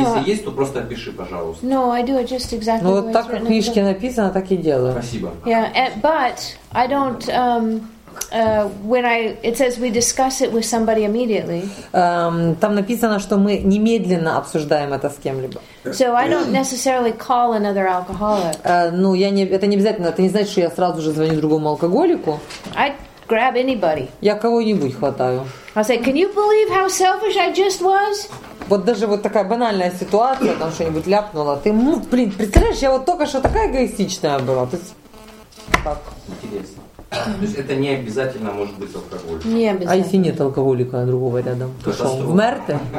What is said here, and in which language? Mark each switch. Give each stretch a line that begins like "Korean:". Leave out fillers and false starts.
Russian: если есть, то просто пиши, пожалуйста.
English: No, I do it just exactly.
Russian: Ну вот так как в книжке написано, так и делаю. Спасибо.
English: Yeah, but I don't. It says we discuss it with somebody immediately.
Russian: Там написано, что мы немедленно обсуждаем это с кем-либо.
English: So I don't necessarily call another alcoholic.
Russian: Ну я не, это не обязательно. Это не значит, что я сразу же звоню другому алкоголику.
English: I grab anybody.
Russian: Я кого-нибудь хватаю.
English: I say, can you believe how selfish I just was?
Russian: Вот даже вот такая банальная ситуация, там что-нибудь ляпнула. Ты, ну, блин, представляешь, я вот только что такая эгоистичная была. То есть, так. Интересно. То есть это не обязательно может быть алкоголик. Не обязательно. А если нет алкоголика другого рядом? Пошел. В мэрте?